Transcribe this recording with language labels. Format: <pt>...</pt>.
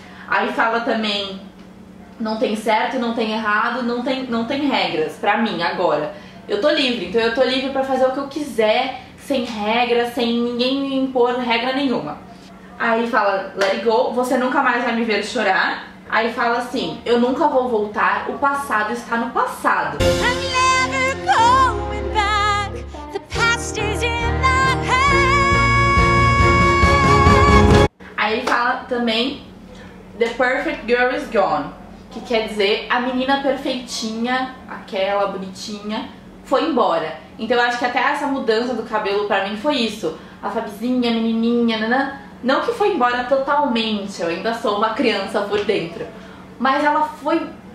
<pt>Aí fala também, não tem certo, não tem errado, não tem regras pra mim agora. Eu tô livre, então eu tô livre pra fazer o que eu quiser, sem regras, sem ninguém me impor regra nenhuma. Aí fala,</pt> <en>let it go,</en> <pt>você nunca mais vai me ver chorar. Aí fala assim, eu nunca vou voltar, o passado está no passado.</pt> <en>I'm never going back, the past is in the past.</en> <pt>Aí fala também,</pt> <en>the perfect girl is gone.</en> <pt>que quer dizer a menina perfeitinha, aquela bonitinha, foi embora. Então eu acho que até essa mudança do cabelo pra mim foi isso. A Fabizinha, a menininha, nanã. Não que foi embora totalmente, eu ainda sou uma criança por dentro. Mas ela foi...</pt>